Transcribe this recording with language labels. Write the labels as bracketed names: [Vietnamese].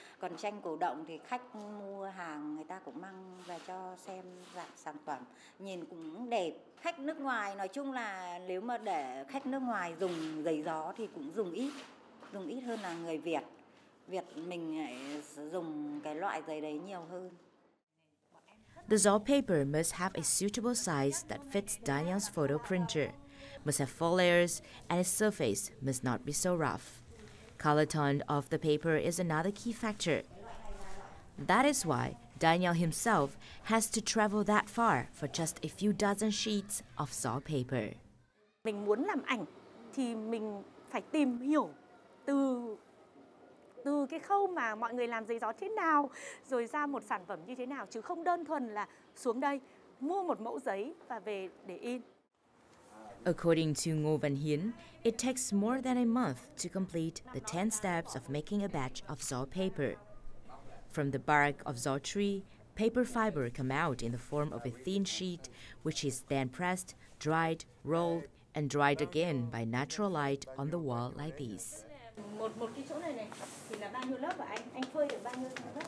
[Vietnamese] Còn tranh cổ động thì khách mua hàng người ta cũng mang về cho xem dạng sản phẩm. Nhìn cũng đẹp. Khách nước ngoài nói chung là nếu mà để khách nước ngoài dùng giấy gió thì cũng dùng ít hơn là người Việt. Việt mình lại dùng cái loại giấy đấy nhiều hơn. [English] The zo paper must have a suitable size that fits Daniel's photo printer. Must have four layers, and its surface must not be so rough. Color tone of the paper is another key factor. That is why Daniel himself has to travel that far for just a few dozen sheets of zo paper. [Vietnamese] Mình muốn làm ảnh thì mình phải tìm hiểu từ cái khâu mà mọi người làm giấy gió thế nào, rồi ra một sản phẩm như thế nào, chứ không đơn thuần là xuống đây mua một mẫu giấy và về để in. [English] According to Ngô Văn Hiến, it takes more than a month to complete the 10 steps of making a batch of gió paper. From the bark of gió tree, paper fiber come out in the form of a thin sheet, which is then pressed, dried, rolled, and dried again by natural light on the wall like this. [Vietnamese] Một cái chỗ này thì là bao nhiêu lớp ạ? Anh phơi được bao nhiêu lớp?